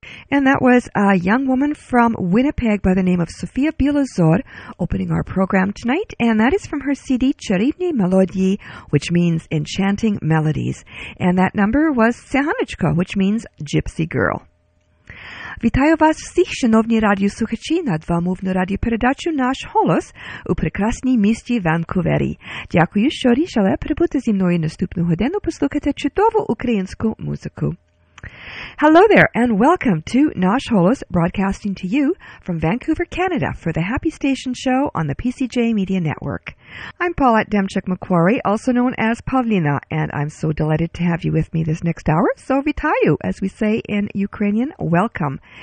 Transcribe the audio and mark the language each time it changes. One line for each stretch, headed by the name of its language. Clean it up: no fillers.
English: A young woman from Winnipeg by the name of Sofia Bielozor opening our program tonight, and that is from her CD Charivni Melodii, which means enchanting melodies. And that number was Sehanochka, which means gypsy girl.
Ukrainian: Вітаю вас всіх, шановні радіослухачі, на двомовну радіопередачу «Наш голос» у прекрасній місті Ванкувері. Дякую, що рішили прибути зі мною наступну годину послухати чудову українську музику.
English: Hello there, and welcome to Nosh Holos, broadcasting to you from Vancouver, Canada, for the Happy Station Show on the PCJ Media Network. I'm Paulette Demchuk-McQuarrie, also known as Pavlina, and I'm so delighted to have you with me this next hour. So, vitaю, as we say in Ukrainian, welcome.